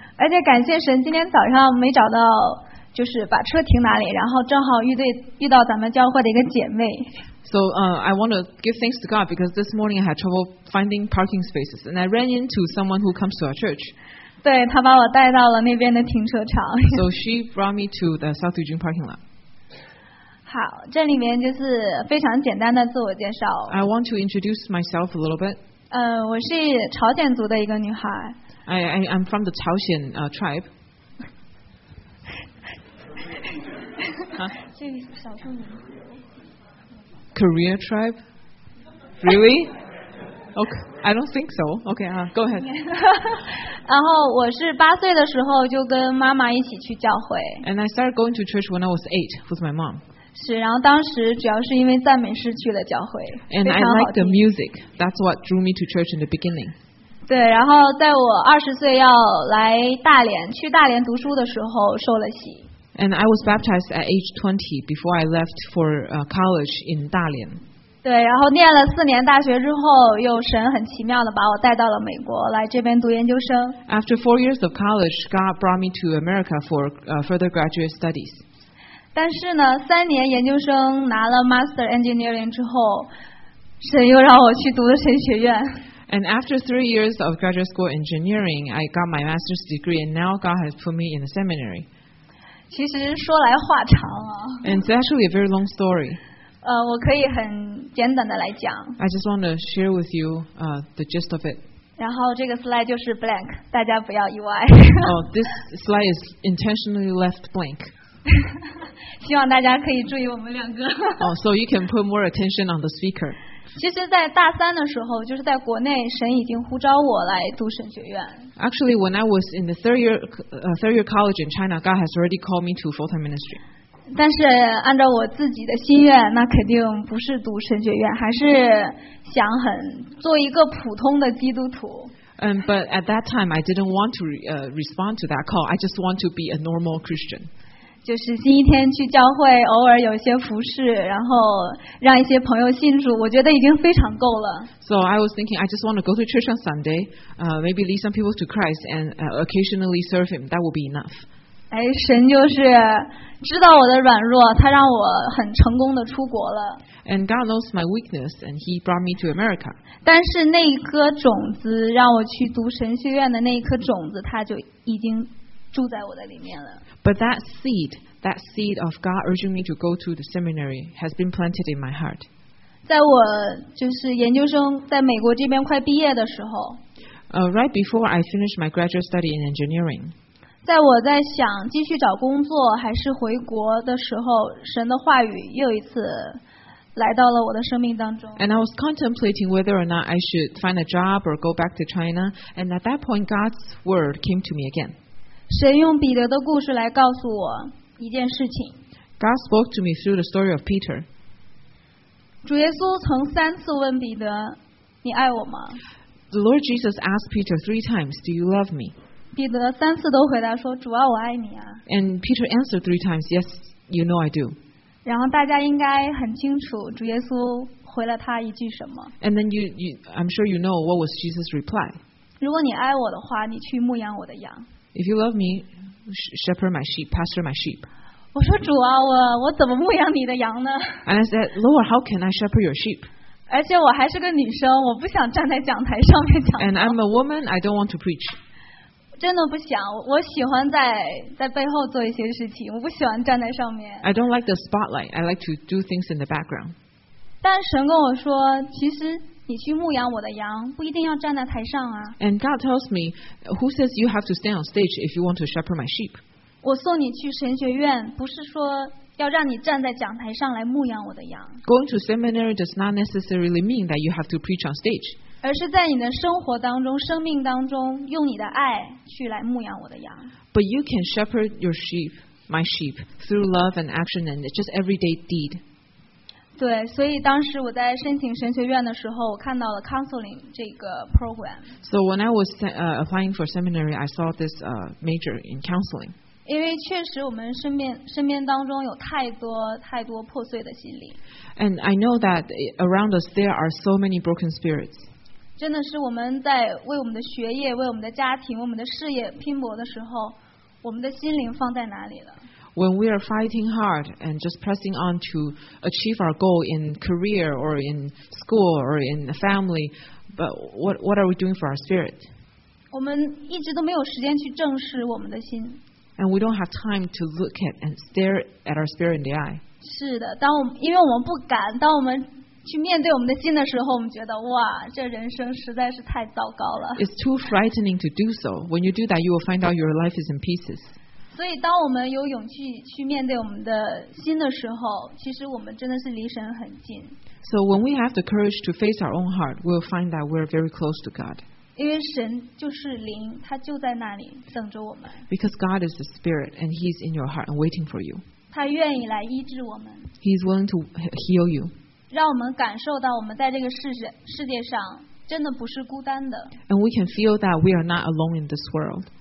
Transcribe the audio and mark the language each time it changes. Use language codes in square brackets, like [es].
[zh] 而且感谢神，今天早上没找到，就是把车停哪里，然后正好遇到咱们教会的一个姐妹。 [en] So, I want to give thanks to God because this morning I had trouble finding parking spaces, and I ran into someone who comes to our church. [zh] 对，她把我带到了那边的停车场。 [en] So she brought me to the South Eugene parking lot. [zh] 好，这里面就是非常简单的自我介绍。 [en] I want to introduce myself a little bit. [zh] 我是朝鲜族的一个女孩。 [en] I'm from the 朝鲜tribe. [zh] 是少数民族。 [en] Korea tribe? Really? Okay, I don't think so. Okay, go ahead. [zh] 然后我是八岁的时候就跟妈妈一起去教会。 [en] And I started going to church when I was 8 with my mom. [zh] 是，然后当时主要是因为赞美诗去了教会。 [en] And I like the music. That's what drew me to church in the beginning. [zh] 对，然后在我20岁要来大连，去大连读书的时候受了洗。 [en] And I was baptized at age 20 before I left for college in 大连。 [zh] 对，然后念了4年大学之后，又神很奇妙的把我带到了美国，来这边读研究生。 [en] After 4 years of college, God brought me to America for further graduate studies. [zh] 但是呢，3年研究生拿了 Master Engineering 之后，神又让我去读了神学院。 [en] And after 3 years of graduate school engineering, I got my master's degree, and now God has put me in a seminary. [zh] 其实说来话长啊。 [en] And it's actually a very long story. [zh] 我可以很简短的来讲。 [en] I just want to share with you the gist of it. [zh] 然后这个 slide 就是 blank, 大家不要意外。 [en] Oh, this slide is intentionally left blank. [zh] 希望大家可以注意我们两个。 [en] Oh, so you can put more attention on the speaker. [zh] 其实在大三的时候，就是在国内，神已经呼召我来读神学院。 [en] Actually, when I was in the third year college in China, God has already called me to full-time ministry. [zh] 但是按照我自己的心愿，那肯定不是读神学院，还是想很做一个普通的基督徒。 [en] But at that time, I didn't want to respond to that call. I just want to be a normal Christian. [zh] 就是星期天去教会，偶尔有些服侍，然后让一些朋友信主，我觉得已经非常够了。 [en] So I was thinking, I just want to go to church on Sunday, maybe lead some people to Christ, and occasionally serve Him. That will be enough. [zh] 哎，神就是知道我的软弱，他让我很成功的出国了。 [en] And God knows my weakness, and He brought me to America. [zh] 但是那一颗种子，让我去读神学院的那一颗种子，他就已经。住在我的里面了。 [en] But that seed of God urging me to go to the seminary has been planted in my heart. [zh] 在我就是研究生在美国这边快毕业的时候。 [en] Right before I finished my graduate study in engineering. [zh] 在我在想继续找工作还是回国的时候，神的话语又一次来到了我的生命当中。 [en] And I was contemplating whether or not I should find a job or go back to China. And at that point, God's word came to me again. [zh] 神用彼得的故事来告诉我一件事情。 [en] God spoke to me through the story of Peter. [zh] 主耶稣曾三次问彼得，你爱我吗？ [en] The Lord Jesus asked Peter three times, do you love me? [zh] 彼得三次都回答说，主啊，我爱你啊。 [en] And Peter answered three times, yes, you know I do. [zh] 然后大家应该很清楚主耶稣回了他一句什么。 [en] And then I'm sure you know what was Jesus' reply. [zh] 如果你爱我的话，你去牧养我的羊。 [en] If you love me, shepherd my sheep, pastor my sheep. [zh] 我说主啊，我怎么牧养你的羊呢？ [en] And I said, Lord, how can I shepherd your sheep? [zh] 而且我还是个女生，我不想站在讲台上面讲。 [en] And I'm a woman, I don't want to preach. [zh] 真的不想，我喜欢在背后做一些事情，我不喜欢站在上面。 [en] I don't like the spotlight. I like to do things in the background. [zh] 但神跟我说，其实你去牧养我的羊，不一定要站在台上啊。 [en] And God tells me, who says you have to stand on stage if you want to shepherd my sheep? [zh] 我送你去神学院，不是说要让你站在讲台上来牧养我的羊。 [en] Going to seminary does not necessarily mean that you have to preach on stage. [zh] 而是在你的生活当中、生命当中，用你的爱去来牧养我的羊。 [en] But you can shepherd your sheep, my sheep, through love and action and just everyday deed. [zh] 对，所以当时我在申请神学院的时候，我看到了 counseling 这个 program. [en] So when I was applying for seminary, I saw this major in counseling. [zh] 因为确实我们身边当中有太多太多破碎的心灵。 [en] And I know that around us there are so many broken spirits. [zh] 真的是我们在为我们的学业、为我们的家庭、为我们的事业拼搏的时候，我们的心灵放在哪里了？ [en] When we are fighting hard and just pressing on to achieve our goal in career or in school or in the family, but what are we doing for our spirit? [zh] 我们一直都没有时间去正视我们的心。 [en] And we don't have time to look at and stare at our spirit in the eye. [zh] 是的，当我们因为我们不敢，当我们去面对我们的心的时候，我们觉得哇，这人生实在是太糟糕了。 [en] It's too frightening to do so. When you do that, you will find out your life is in pieces. [zh] 所以，当我们有勇气去面对我们的心的时候，其实我们真的是离神很近。 [en] So when we have the courage to face our own heart, we'll find that we're very close to God. [zh] 因为神就是灵，他就在那里等着我们。 [en] Because God is the Spirit, and He's in your heart and waiting for you. [zh] 他愿意来医治我们。 [en] He's willing to heal you. [zh] 让我们感受到我们在这个世界上真的不是孤单的。 [en] And we can feel that we are not alone in this world.